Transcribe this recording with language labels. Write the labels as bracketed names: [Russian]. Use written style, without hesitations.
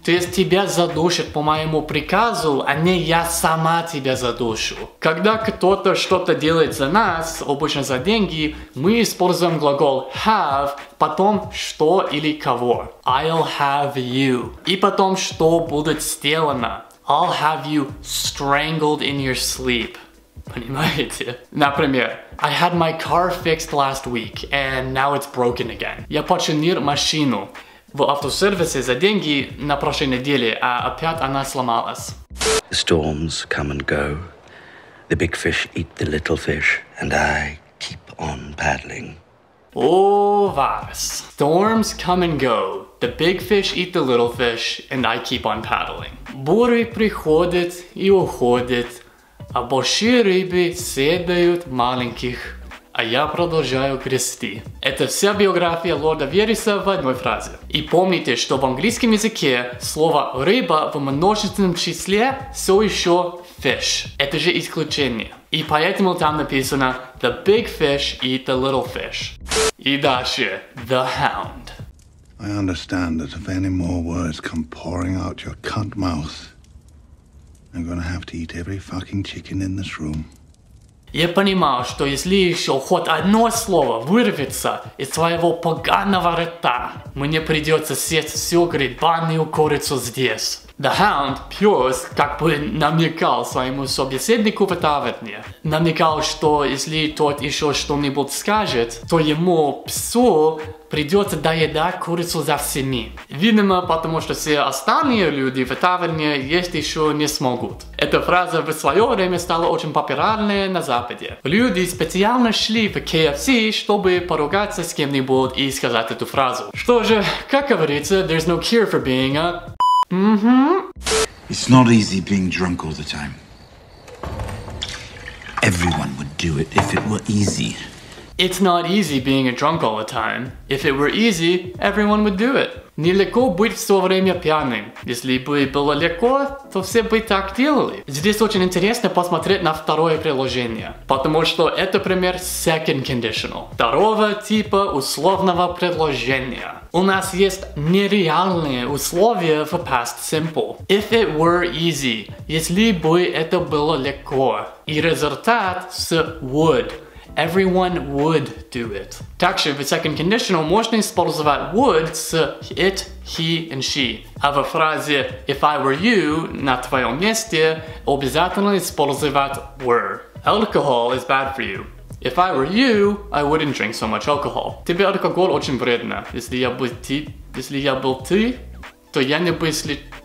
[Russian] То есть тебя задушат по моему приказу, а не я сама тебя задушу. Когда кто-то что-то делает за нас, обычно за деньги, мы используем глагол have, потом что или кого. [English] I'll have you. [Russian] И потом что будет сделано. [English] I'll have you strangled in your sleep. [Russian] Понимаете? Например, [English] I had my car fixed last week, and now it's broken again. [Russian] Я починил машину в автосервисе за деньги на прошлой неделе, а опять она сломалась. [English] Storms come and go. The big fish eat the little fish, and I keep on paddling. [Russian] О, вас. [English] Storms come and go. The big fish eat the little fish, and I keep on paddling. [Russian] Бури приходят и уходят. А большие рыбы съедают маленьких, а я продолжаю грести. Это вся биография лорда Вериса в одной фразе. И помните, что в английском языке слово «рыба» в множественном числе все еще «fish». Это же исключение. И поэтому там написано [English] «the big fish eat the little fish». [Russian] И дальше «the hound». [English] I understand that if any more words come pouring out your cunt mouth, I'm gonna have to eat every fucking chicken in this room. [Russian] Я понимаю, что если еще хоть одно слово вырвется из твоего поганого рта, мне придется съесть всю гребаную курицу здесь. The hound, пёс, как бы намекал своему собеседнику в таверне. Намекал, что если тот еще что-нибудь скажет, то ему, псу, придется доедать курицу за всеми. Видимо, потому что все остальные люди в таверне есть еще не смогут. Эта фраза в свое время стала очень популярной на Западе. Люди специально шли в KFC, чтобы поругаться с кем-нибудь и сказать эту фразу. Что же, как говорится, [English] there's no cure for being a... It's not easy being drunk all the time. Everyone would do it if it were easy. It's not easy being a drunk all the time. If it were easy, everyone would do it. [Russian] Нелегко быть все время пьяным. Если бы было легко, то все бы так делали. Здесь очень интересно посмотреть на второе предложение. Потому что это пример second conditional. Второго типа условного предложения. У нас есть нереальные условия в past simple. [English] If it were easy. [Russian] Если бы это было легко. И результат с [English] would. Everyone would do it. [Russian] Так что в second conditional можно использовать would с it, he, and she. А в фразе [English] if I were you, [Russian] на твоем месте, обязательно использовать were. [English] Alcohol is bad for you. If I were you, I wouldn't drink so much alcohol. [Russian] Тебе алкоголь очень вредно. Если я был ты, то я не бы если...